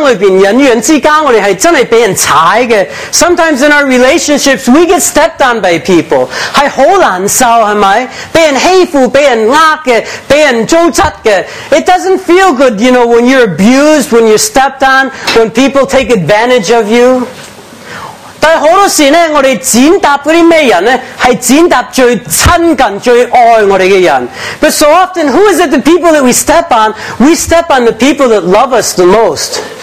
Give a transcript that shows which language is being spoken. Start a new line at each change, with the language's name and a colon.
Chinese: 有时我们是会在人生里面，人与人之间，我们是真的被人踩的。
English: Sometimes in our relationships, we get stepped on by people.
Chinese: 是很难受，是不是? 被人欺负，被人骂的，被人糟蹋的。
English: It doesn't feel good, you know, when you're abused, when you're stepped on, when people take advantage of you.
Chinese: 但很多时候我们践踏那些什么人呢?是践踏最亲近、最爱我们的人。
English: But so often, who is it the people that we step on? We step on the people that love us the most.